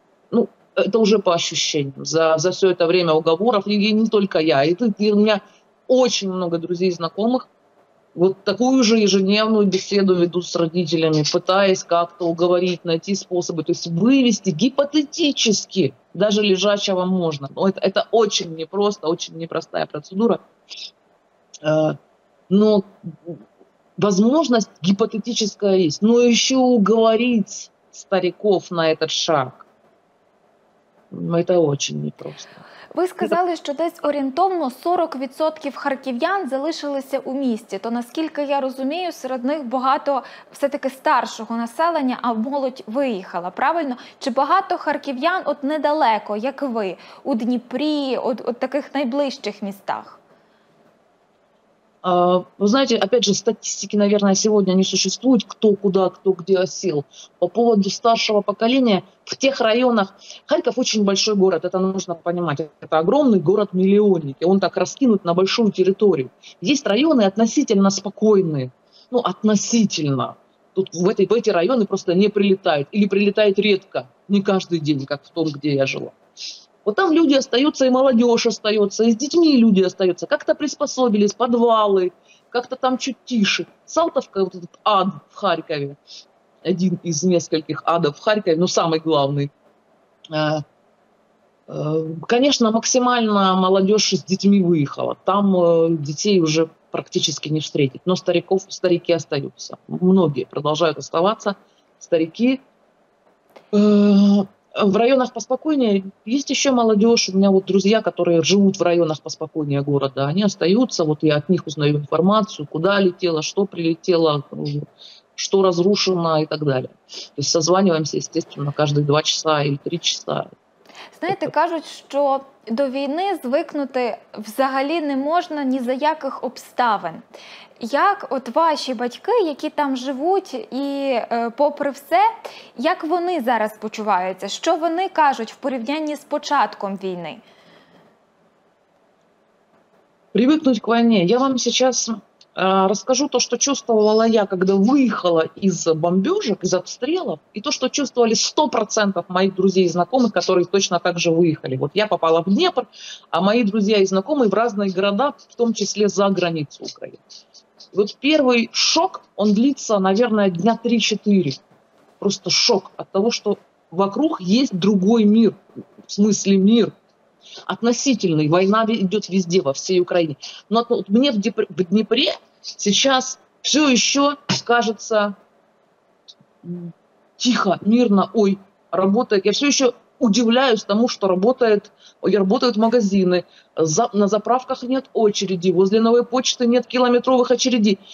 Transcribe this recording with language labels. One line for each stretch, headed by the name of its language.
Russian: Ну, это уже по ощущениям. За все это время уговоров, и не только я, и у меня очень много друзей и знакомых, вот такую же ежедневную беседу веду с родителями, пытаясь как-то уговорить, найти способы, то есть вывести гипотетически, даже лежачего можно. Но это очень непросто, очень непростая процедура. Но возможность гипотетическая есть. Но еще уговорить стариков на этот шаг, это очень непросто.
Ukrainian: Ви сказали, що десь орієнтовно 40% харків'ян залишилися у місті. То, наскільки я розумію, серед них багато все-таки старшого населення, а молодь виїхала, правильно? Чи багато харків'ян от недалеко, як ви, у Дніпрі, от таких найближчих містах? Ви знаєте, опять же, статистики, наверное, сьогодні не существують, хто куди, хто где осіл. По поводу старшого покоління, в тих районах... Харків дуже великий міст, це потрібно розуміти. Це великий міст-мільйонник, і він так розкинутий на велику територію. Є райони відносно спокійні. Ну, відносно. Тут в ці райони просто не прилітають. Або прилітають рідко, не кожен день, як в тому, де я жила.
Russian: Вот там люди остаются, и молодежь остается, и с детьми люди остаются. Как-то приспособились, подвалы, как-то там чуть тише. Салтовка, вот этот ад в Харькове, один из нескольких адов в Харькове, но самый главный. Конечно, максимально молодежь с детьми выехала. Там детей уже практически не встретить, но стариков, старики остаются. Многие продолжают оставаться, старики... В районах поспокойнее есть еще молодежь. У меня вот друзья, которые живут в районах поспокойнее города. Они остаются, вот я от них узнаю информацию, куда летело, что прилетело, что разрушено и так далее. То есть созваниваемся, естественно, каждые 2 часа или 3 часа.
Ukrainian: Знаєте, кажуть, що до війни звикнути взагалі не можна ні за яких обставин. Як от ваші батьки, які там живуть, і попри все, як вони зараз почуваються? Що вони кажуть в порівнянні з початком війни? Привикнути до війни. Я вам зараз розкажу те, що чувствувала я, коли виїхала із бомбежок, із обстрілів, і те, що чувствували 100% моїх друзів і знайомих, які точно так же виїхали. От я попала в Дніпро, а мої друзі і знайомі в різні міста, в тому числі за границю України. От перший шок, він длиться, мабуть, дня 3-4. Просто шок від того, що вокруг є другий мир, в сенсі мир.
Russian: Относительный. Война идет везде, во всей Украине. Но мне в Днепре сейчас все еще кажется тихо, мирно, ой, работает. Я все еще удивляюсь тому, что работают магазины, на заправках нет очереди, возле новой почты нет километровых очередей.